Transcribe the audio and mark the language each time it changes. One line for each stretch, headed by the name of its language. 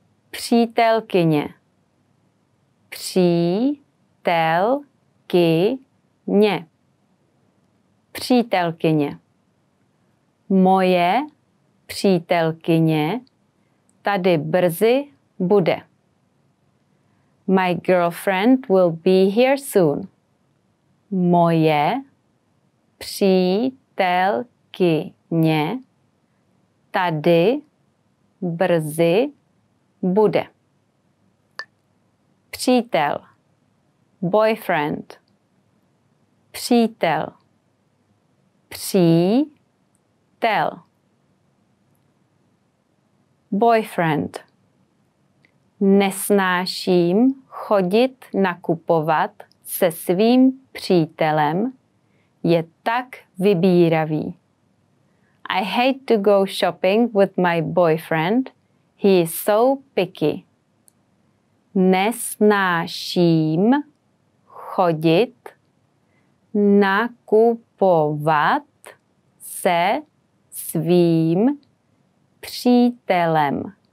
Czech: Přítelkyně. Přítelkyně. Přítelkyně. Přítelkyně. Moje přítelkyně tady brzy bude.
English: My girlfriend will be here soon.
Czech: Moje přítelkyně tady brzy bude. Přítel,
English: boyfriend.
Czech: Přítel, přítel.
English: Boyfriend.
Czech: Nesnáším chodit nakupovat se svým přítelem, je tak vybíravý.
English: I hate to go shopping with my boyfriend. He is so picky.
Czech: Nesnáším chodit nakupovat se svým přítelem.